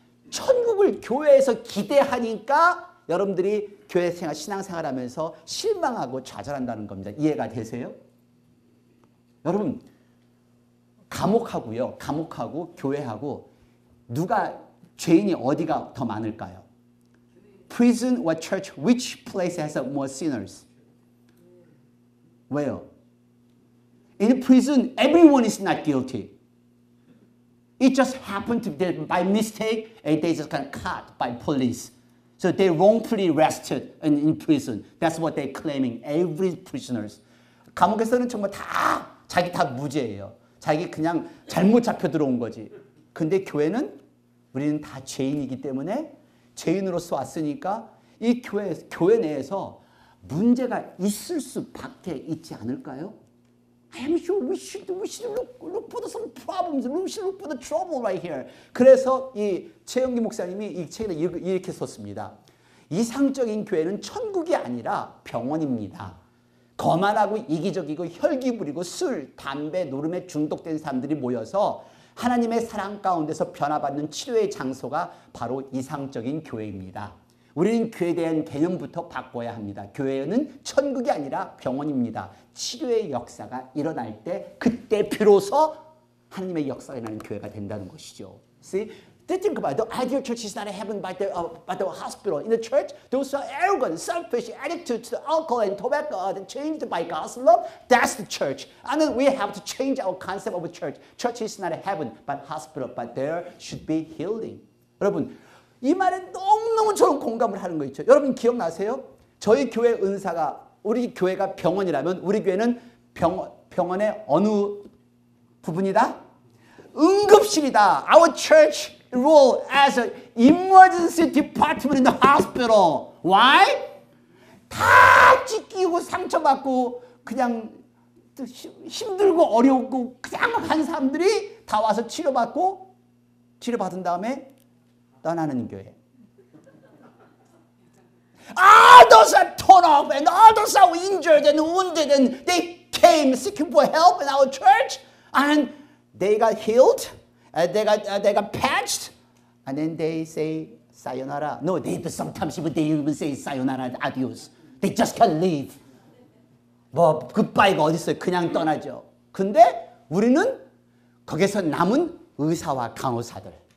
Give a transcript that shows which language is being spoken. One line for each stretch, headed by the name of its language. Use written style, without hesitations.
Korean: 천국을 교회에서 기대하니까 여러분들이 교회 생활, 신앙생활 하면서 실망하고 좌절한다는 겁니다. 이해가 되세요? 여러분, 감옥하고 교회하고 누가 죄인이 어디가 더 많을까요?
English: Prison or church, which place has more sinners?
Korean: 왜요?
English: In prison, everyone is not guilty. It just happened to be that by mistake, and they just got caught by police. So they wrongfully arrested in prison. That's what they're claiming, every prisoners.
Korean: 감옥에서는 정말 자기 다 무죄예요. 자기 그냥 잘못 잡혀 들어온 거지. 근데 교회는 우리는 다 죄인이기 때문에 죄인으로서 왔으니까 이 교회 내에서 문제가 있을 수밖에 있지 않을까요?
English: I'm sure we should look for some problems. We should look for the trouble right here.
Korean: 그래서 이 최영기 목사님이 이 책에 이렇게 썼습니다. 이상적인 교회는 천국이 아니라 병원입니다. 거만하고 이기적이고 혈기 부리고 술, 담배, 노름에 중독된 사람들이 모여서 하나님의 사랑 가운데서 변화받는 치료의 장소가 바로 이상적인 교회입니다. 우리는 교회에 대한 개념부터 바꿔야 합니다. 교회는 천국이 아니라 병원입니다. 치료의 역사가 일어날 때 그때 비로소 하나님의 역사가 일어나는 교회가 된다는 것이죠.
English: See, think about it. The ideal church is not a heaven but the hospital. In the church, those who are arrogant, selfish, addicted to alcohol and tobacco are changed by God's love. That's the church. And then we have to change our concept of a church. Church is not a heaven but hospital, but there should be healing.
Korean: 여러분, 이 말에 너무너무 저는 공감을 하는 거 있죠. 여러분 기억나세요? 저희 교회 은사가 우리 교회가 병원이라면 우리 교회는 병원의 어느 부분이다? 응급실이다.
English: Our church role as an emergency department in the hospital. Why?
Korean: 다 찢기고 상처받고 그냥 힘들고 어렵고 그냥 간 사람들이 다 와서 치료받고 치료받은 다음에 떠나는 교회.
English: Others are torn off and others are injured and wounded and they came seeking for help in our church and they got healed and they got patched and then they say sayonara. No, they do sometimes but they even say sayonara and adios. They just can't leave.
Korean: 뭐 goodbye가 어딨어요. 그냥 떠나죠. 근데 우리는 거기서 남은 의사와 간호사들.